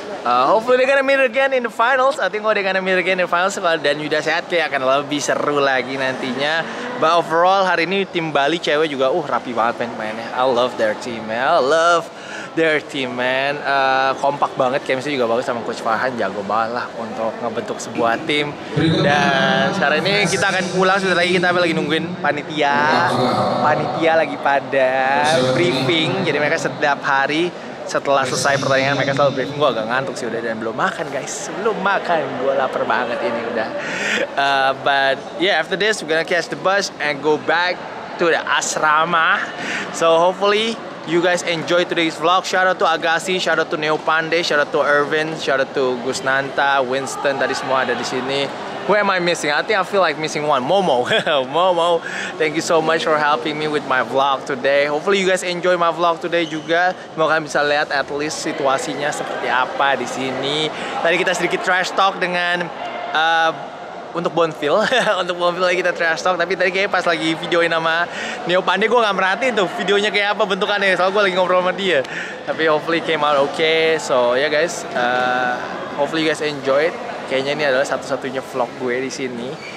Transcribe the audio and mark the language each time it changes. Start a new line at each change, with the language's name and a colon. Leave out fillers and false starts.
English: Hopefully they're gonna meet again in the finals. I think they're gonna meet again in the finals.
Indonesian: Dan Yuda sehat kayak akan lebih seru lagi nantinya.
English: But overall
Indonesian: hari ini tim Bali cewek juga rapi banget mainnya.
English: I love their team man.
Indonesian: Kompak banget, chemistry juga bagus sama Coach Farhan. Jago banget lah untuk ngebentuk sebuah tim. Dan sekarang ini kita akan pulang. Sebentar lagi kita lagi nungguin panitia. Panitia lagi pada briefing. Jadi mereka setiap hari setelah selesai pertandingan mereka selalu briefing. Gue agak ngantuk sih udah dan belum makan guys. Belum makan, gue lapar banget ini udah.
English: But yeah, after this we're gonna catch the bus and go back to the asrama. So hopefully you guys enjoy today's vlog. Shout out to Agassi, shout out to Neo Pandey, shout out to Irvin, shout out to Gusnanta, Winston,
Indonesian: tadi semua ada di sini.
English: Who am I missing? I think I feel like missing one. Momo. Momo, thank you so much for helping me with my vlog today. Hopefully you guys enjoy my vlog today
Indonesian: juga. Semoga kalian bisa lihat at least situasinya seperti apa di sini. Tadi kita sedikit trash talk dengan untuk Bonfil lagi kita trash talk, tapi tadi kayak pas lagi videoin sama Neo Pandey gue enggak merhatiin tuh videonya kayak apa bentukannya. Soalnya gue lagi ngobrol sama dia. Tapi
English: hopefully came out okay. So, yeah guys, hopefully you guys enjoy it.
Indonesian: Kayaknya ini adalah satu-satunya vlog gue di sini.